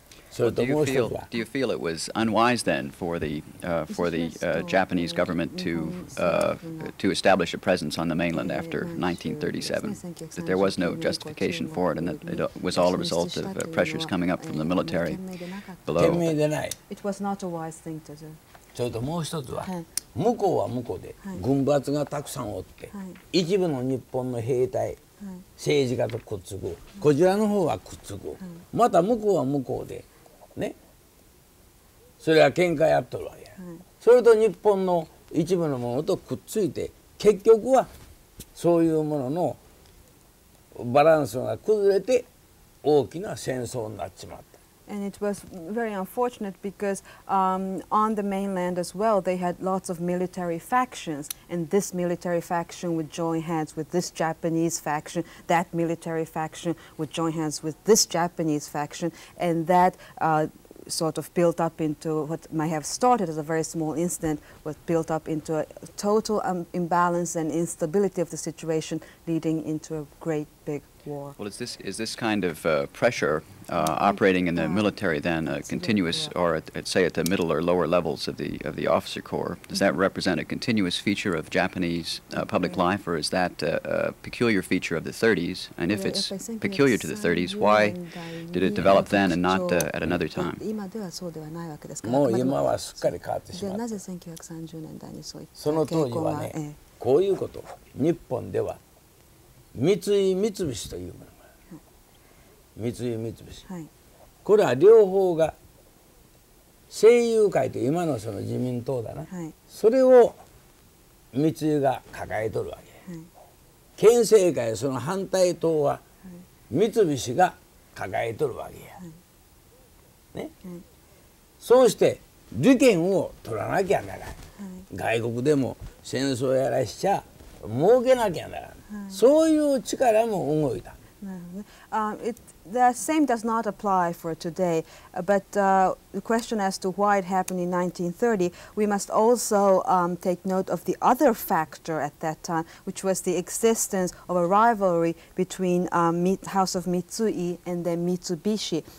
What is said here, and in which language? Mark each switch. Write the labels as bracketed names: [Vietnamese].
[English] So do you feel it was unwise then for the Japanese government to establish a presence on the mainland after 1937, that there was no justification for it, and that it was all a result of pressures coming up from the military below? It was not a wise thing to do. [Japanese] それともう一つは、向こうは向こうで軍閥がたくさんおって、一部の日本の兵隊、政治家とくっつく、こちらの方はくっつく、また向こうは向こうで。ね、それは喧嘩やっとるわけや、それと日本の一部のものとくっついて、結局はそういうもののバランスが崩れて大きな戦争になっちまった。 [English] And it was very unfortunate because on the mainland as well, they had lots of military factions, and this military faction would join hands with this Japanese faction, that military faction would join hands with this Japanese faction, and that sort of built up into what might have started as a very small incident, was built up into a total imbalance and instability of the situation, leading into a great big war. Well, is this kind of pressure operating in the military then a continuous, or say at the middle or lower levels of the officer corps, does that represent a continuous feature of Japanese public life, or is that a peculiar feature of the 30s? And if it's peculiar to the 30s, why did it develop then and not at another time? [Japanese] もう今はすっかり変わってしまった。なぜ1930年代にそういった傾向は、その当時はね、こういうこと、日本では三菱というものが、三菱、これは両方が政友会という今のその自民党だな、それを三井が抱えとるわけ、県政会その反対党は三菱が抱えとるわけや、そうして利権を取らなきゃならない、外国でも戦争やらしちゃ儲けなきゃならない、そういう力も動いた。 [English] The same does not apply for today, but the question as to why it happened in 1930, we must also take note of the other factor at that time, which was the existence of a rivalry between House of Mitsui and then Mitsubishi.